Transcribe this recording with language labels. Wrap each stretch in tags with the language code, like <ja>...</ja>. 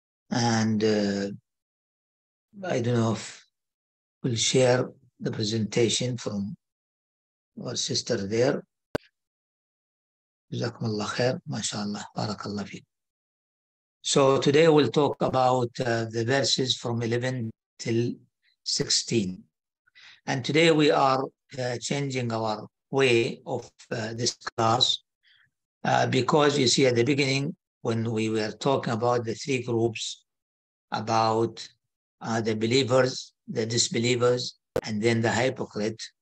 <en>And I don't know if we'll share the presentation from our sister there.</en> <ar>جزاكم الله خير، ما شاء الله، بارك الله فيك.</ar> <en>So today we'll talk about the verses from 11 till 16. And today we are changing our way of this class because you see at the beginning when we were talking about the three groups about the believers, the disbelievers, and then the hypocrite.</en>